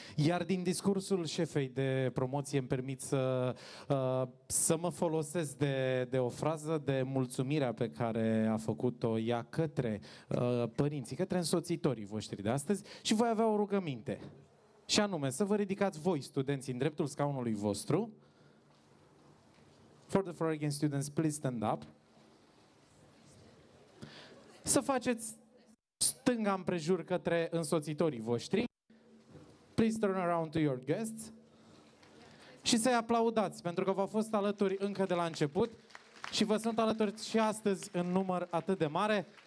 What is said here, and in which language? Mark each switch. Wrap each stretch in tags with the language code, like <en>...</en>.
<ro>Iar din discursul șefei de promoție îmi permit să mă folosesc de o frază de mulțumire pe care a făcut-o ea către părinții, către însoțitorii voștri de astăzi și voi avea o rugăminte. Și anume să vă ridicați voi, studenții, în dreptul scaunului vostru.</ro> <en>For the four again students, please stand up.</en> <ro>Să faceți stânga împrejur către însoțitorii voștri.</ro> <en>Please turn around to your guests.</en> <ro>Și să-i aplaudați, pentru că v-au fost alături încă de la început și vă sunt alături și astăzi în număr atât de mare.</ro>